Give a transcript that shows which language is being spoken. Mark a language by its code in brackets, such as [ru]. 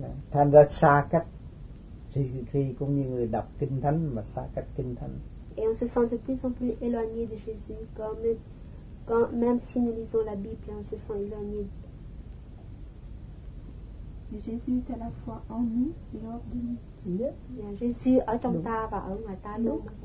[vi] Thành ra xa cách Jésus-Christ cũng như người đọc kinh thánh mà xa cách kinh thánh. [fr] Et on se sent de plus en plus éloigné de Jésus comme quand, même si nous lisons la Bible, on se sent éloigné. Jésus est à la fois en nous et hors de nous. [vi] Jésus ở trong ta và ở ngoài ta luôn.